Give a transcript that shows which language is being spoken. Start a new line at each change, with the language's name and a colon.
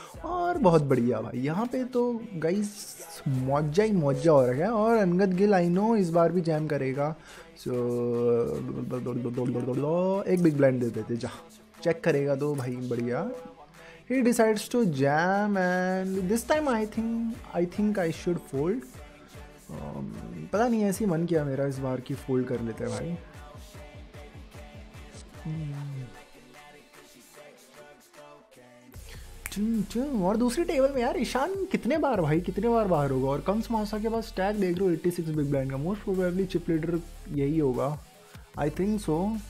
Hindi: और बहुत बढ़िया भाई यहाँ पे तो गाइस मौजा ही मौजा हो रहा है। और अंगद गिल आई नो इस बार भी जैम करेगा। सो एक बिग ब्लाइंड दे देते जा, चेक करेगा तो भाई बढ़िया।
English: He decides to jam and this time I think I should fold.
Hindi: पता नहीं ऐसे ही मन किया मेरा इस बार की fold कर लेते हैं भाई। चुन चुन। और दूसरी टेबल में यार ईशान कितने बार भाई कितने बार बाहर होगा। और कंस मासा के पास स्टैक देख रहे हो 86 बिग ब्लाइंड का, मोस्ट प्रोबेबली चिप लीडर यही होगा
English: I think so.